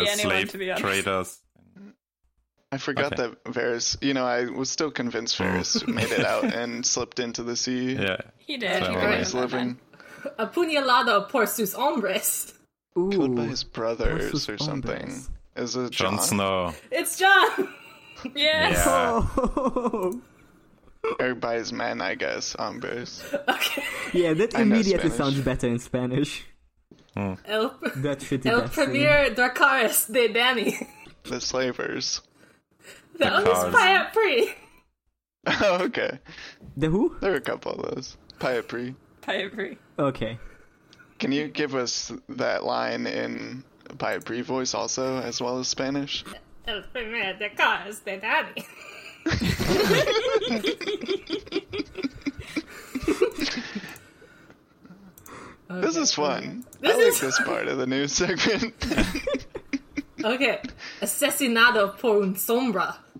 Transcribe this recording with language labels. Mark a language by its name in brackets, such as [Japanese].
[English] I was gonna guess the slave traders. I forgot that Varys... You know, I was still convinced Varys made it out and slipped into the sea. Yeah. He did. So he's living. [Spanish] Apuñalado por sus hombres. [English] Ooh, killed by his brothers or something. Hombres. Is it Jon Snow? It's Jon! Yes! Yeah. Everybody's men, I guess, hombres. Okay. Yeah, that immediately sounds better in Spanish. That shitty [Spanish] El Premier Dracarys de Dany. [English] The slavers. The oldest Pyat Pri. Oh, okay. The who? There are a couple of those. Pyat Pri. Okay. Can you give us that line in... By a brief voice also, as well as Spanish. [Spanish] El primer de cars de daddy. [English] This is fun. This I like is... this part of the news segment. Okay. [Spanish] Asesinado por un sombra.